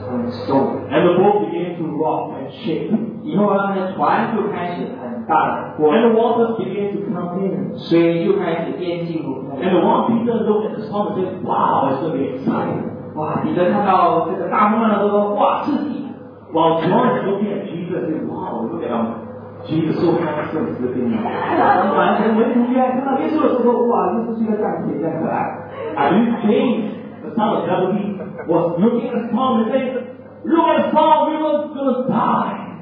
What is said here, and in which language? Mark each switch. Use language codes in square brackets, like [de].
[en] so, and the boat began to rock and shake. [zh] 以后呢，船就开始很大的波浪。 [en] And the waters began to come in. [zh] 水就开始淹进入。 [en] And one Peter looked at the storm and said, wow, it's going to be exciting. [zh] 哇，彼得看到这个大风浪的时候，哇，刺激。 [en] While John is looking at Jesus, said, wow, look at him. Jesus so handsome, he's looking at him. [zh] 完全没注意，看到耶稣的时候，哇，耶稣是一个这样子，这样可爱。 [en] I believe James, the son of Zebedee, was looking at the storm and saying, look at the storm, we were going to die.